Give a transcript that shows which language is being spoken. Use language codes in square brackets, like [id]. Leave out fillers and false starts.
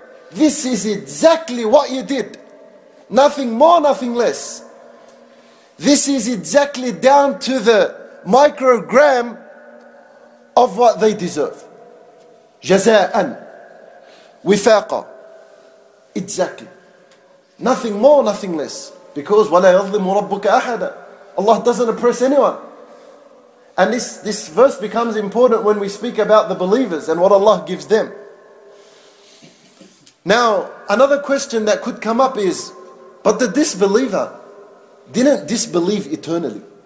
[en] This is exactly what you did. Nothing more, nothing less. This is exactly down to the microgram of what they deserve. [ar] جَزَاءً وِفَاقًا. [en] Exactly. Nothing more, nothing less. Because [ar] وَلَا يَظْلِمُ رَبُّكَ أَحَدًا. [en] Allah doesn't oppress anyone. And this verse becomes important when we speak about the believers and what Allah gives them. Now, another question that could come up is, but the disbeliever didn't disbelieve eternally.